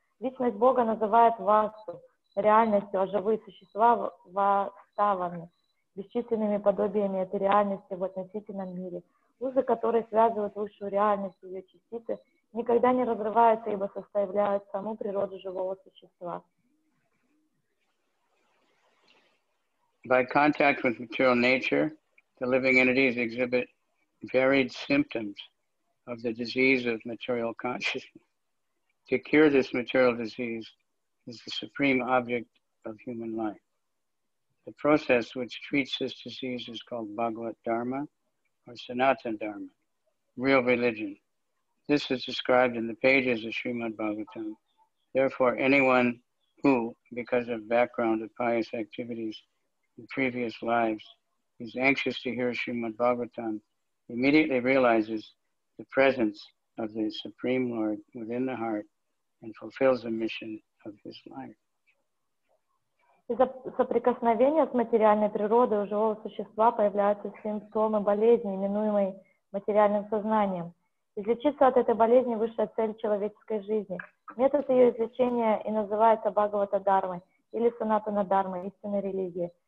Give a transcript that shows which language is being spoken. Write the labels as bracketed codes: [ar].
[ru] Личность Бога называет вашу реальностью, а живые существа ваставами, бесчисленными подобиями этой реальности в относительном мире. Узы, которые связывают высшую реальность и ее частицы, никогда не разрываются, ибо составляют саму природу живого существа. [en] By contact with material nature, the living entities exhibit varied symptoms of the disease of material consciousness. To cure this material disease is the supreme object of human life. The process which treats this disease is called Bhagavat Dharma or Sanatana Dharma, real religion. This is described in the pages of Srimad Bhagavatam. Therefore, anyone who, because of background of pious activities in previous lives, is anxious to hear Srimad Bhagavatam, immediately realizes the presence of the Supreme Lord within the heart and fulfills the mission of his life. [ru] Из-за соприкосновения с материальной природой у живого существа появляются симптомы болезни, именуемой материальным сознанием. Излечиться от этой болезни – высшая цель человеческой жизни. Метод ее излечения и называется Бхагавата Дхармой или Санатана Дхармой, истинной религии.